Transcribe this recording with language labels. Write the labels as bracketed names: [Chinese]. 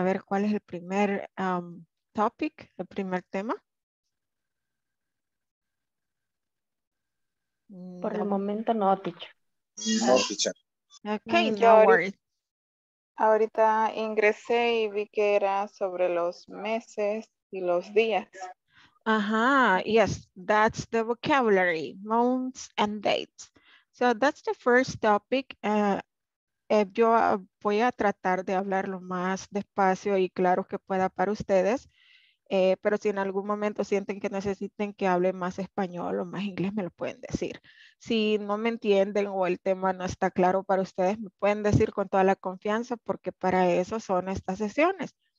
[Spanish] A ver, ¿cuál es el primer topic, el primer tema? Por el momento no, teacher. No, [English] teacher. Okay, no worries. [Spanish] Ahorita ingresé y vi que era sobre los meses y los días. [English] Ajá, yes, that's the vocabulary, months and dates. So that's the first topic. [Spanish] Yo voy a tratar de hablar lo más despacio y claro que pueda para ustedes. Pero si en algún momento sienten que necesiten que hable más español o más inglés, me lo pueden decir. Si no me entienden o el tema no está claro para ustedes, me pueden decir con toda la confianza, porque para eso son estas sesiones.